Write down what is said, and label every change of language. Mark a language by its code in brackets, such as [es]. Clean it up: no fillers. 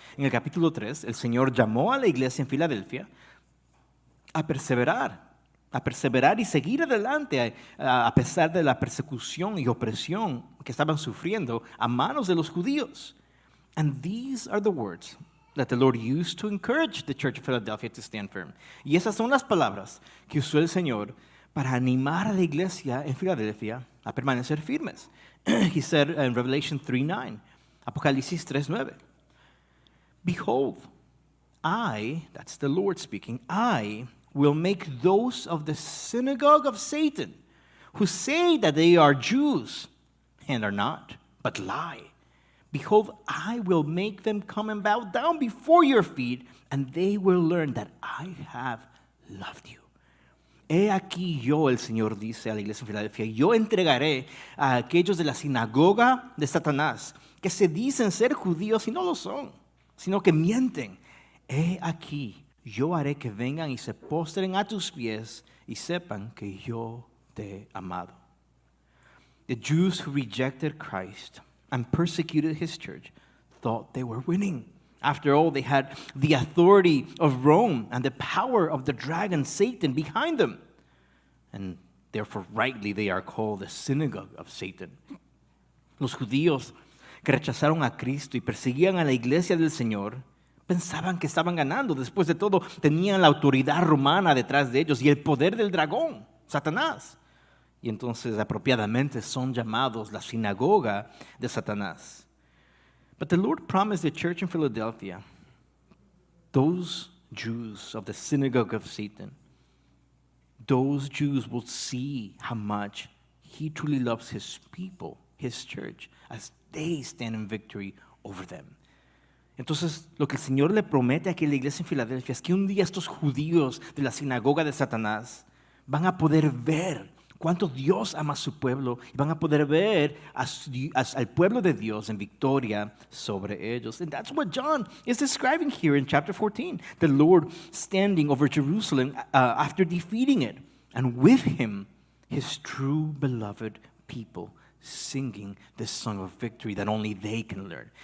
[es] En el capítulo 3, el Señor llamó a la iglesia en Filadelfia a perseverar y seguir adelante a pesar de la persecución y opresión que estaban sufriendo a manos de los judíos. [en] And these are the words that the Lord used to encourage the church of Philadelphia to stand firm. [es] Y esas son las palabras que usó el Señor para animar a la iglesia en Filadelfia a permanecer firmes. [en] He said in Revelation 3:9, Apocalipsis 3:9, "Behold, I," that's the Lord speaking, "I will make those of the synagogue of Satan who say that they are Jews and are not, but lie. Behold, I will make them come and bow down before your feet, and they will learn that I have loved you." [es] He aquí yo, el Señor dice a la iglesia de Filadelfia, yo entregaré a aquellos de la sinagoga de Satanás que se dicen ser judíos y no lo son, sino que mienten. He aquí yo haré que vengan y se postren a tus pies y sepan que yo te he amado. [en] The Jews who rejected Christ and persecuted his church thought they were winning. After all, they had the authority of Rome and the power of the dragon Satan behind them. And therefore, rightly, they are called the synagogue of Satan. [es] Los judíos que rechazaron a Cristo y perseguían a la iglesia del Señor pensaban que estaban ganando. Después de todo, tenían la autoridad romana detrás de ellos y el poder del dragón, Satanás. Y entonces, apropiadamente, son llamados la sinagoga de Satanás. [en] But the Lord promised the church in Philadelphia, those Jews of the synagogue of Satan, those Jews will see how much he truly loves his people, his church, as they stand in victory over them. [es] Entonces, lo que el Señor le promete aquí a la iglesia en Filadelfia es que un día estos judíos de la sinagoga de Satanás van a poder ver cuánto Dios ama a su pueblo y van a poder ver al pueblo de Dios en victoria sobre ellos. [en] And that's what John is describing here in chapter 14. The Lord standing over Jerusalem after defeating it, and with him, his true beloved people singing this song of victory that only they can learn.